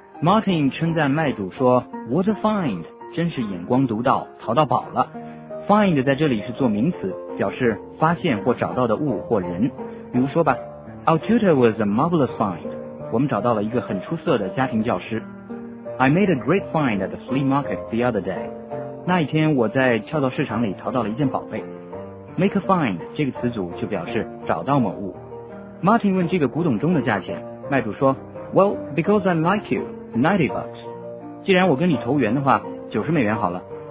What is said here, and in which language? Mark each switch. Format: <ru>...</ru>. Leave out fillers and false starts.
<zh>Martin 称赞卖主说 ，</zh> <en>What a find，</en> <zh>真是眼光独到，淘到宝了。 Find 在这里是做名词，表示发现或找到的物或人。比如说吧</zh> <en>，Our tutor was a marvelous find。</en> <zh>我们找到了一个很出色的家庭教师。</zh> <en>I made a great find at the flea market the other day。</en> <zh>那一天我在跳蚤市场里淘到了一件宝贝。</zh> <en>Make a find</en> <zh>这个词组就表示找到某物。Martin 问这个古董钟的价钱，卖主说 ，</zh> <en>Well, because I like you, $90。</en> <zh>既然我跟你投缘的话，$90好了。</zh>